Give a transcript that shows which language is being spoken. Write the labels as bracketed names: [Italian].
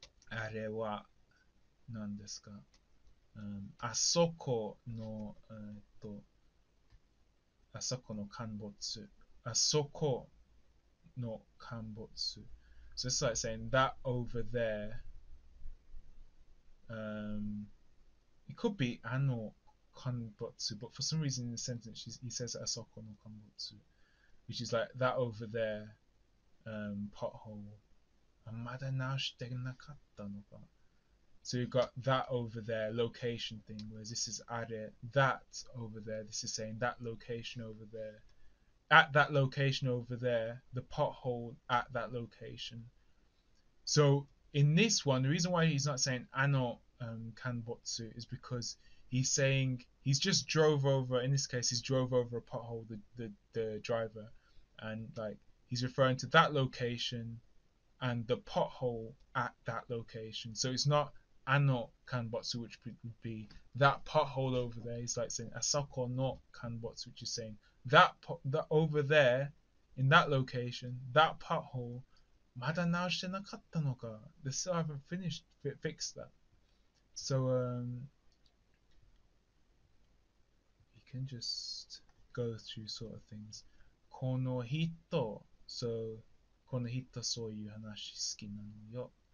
[Japanese] あれは何ですか、あそこの、あそこの陥没、あそこの陥没。 [English] So it's like saying that over there. It could be あの陥没、but for some reason in the sentence he says あそこの陥没、which is like that over there, pothole. [Japanese] まだ直してなかったのか。 [English] So you've got that over there, location thing, whereas this is are, that over there, this is saying that location over there, at that location over there, the pothole at that location. So in this one, the reason why he's not saying ano kanbotsu is because he's saying, he's just drove over, in this case, he's drove over a pothole, the driver, and like, he's referring to that location and the pothole at that location. So it's not ano kanbotsu, which would be that pothole over there. It's like saying asako no kanbotsu, which is saying that over there, in that location, that pothole, [Japanese] まだ直してなかったのか? [English] They still haven't finished, fixed that. So, you can just go through sort of things. [Japanese] この人, so, この人そういう話好きなのよ.